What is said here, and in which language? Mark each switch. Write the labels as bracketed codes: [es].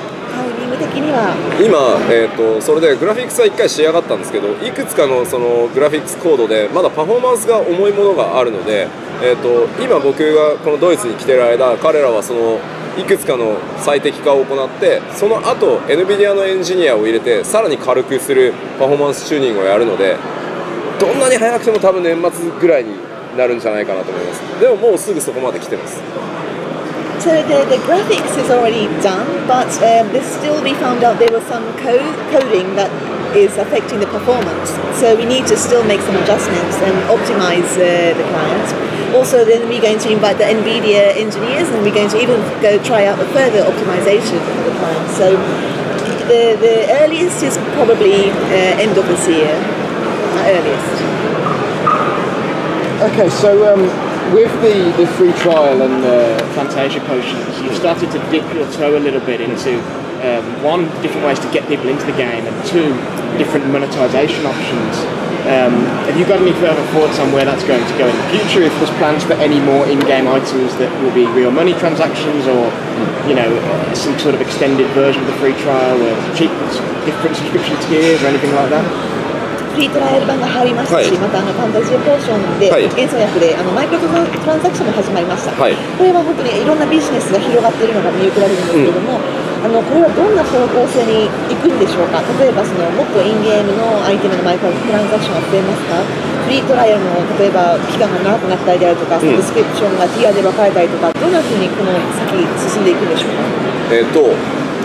[ja] はい、今、それでグラフィックスは1回仕上がったんですけどいくつか の, そのグラフィックスコードでまだパフォーマンスが重いものがあるので、今僕がこのドイツに来ている間彼らはそのいくつかの最適化を行ってその後 NVIDIA のエンジニアを入れてさらに軽くするパフォーマンスチューニングをやるのでどんなに早くても多分年末ぐらいになるんじゃないかなと思いますでももうすぐそこまで来てます [en] So the graphics is already done, but there's still we found out there was some coding that is affecting the performance. So we need to still make some adjustments and optimize the client. Also, then we're going to invite the NVIDIA engineers and we're going to even go try out a further optimization for the client. So the earliest is probably end of this year, at earliest. Okay, so... With the free trial and the Fantasia potions, you've started to dip your toe a little bit into one, different ways to get people into the game, and two, different monetization options. Have you got any further thoughts on where that's going to go in the future? If there's plans for any more in-game items that will be real money transactions, or you know, some sort of extended version of the free trial with cheap different subscription tiers or anything like that? [ja] フリートライアル版が入りましたし、はい、またあのファンタジーポーションで、はい、演奏薬であのマイクロトランザクションも始まりました、はい、これは本当にいろんなビジネスが広がっているのが見受けられるんですけども、うん、あのこれはどんな方向性に行くんでしょうか例えばそのもっとインゲームのアイテムのマイクロトランザクションが増えますかフリートライアルの例えば期間が長くなったりであるとか、うん、サブスクリプションがティアで分かれたりとかどんな風にこの先進んでいくんでしょうか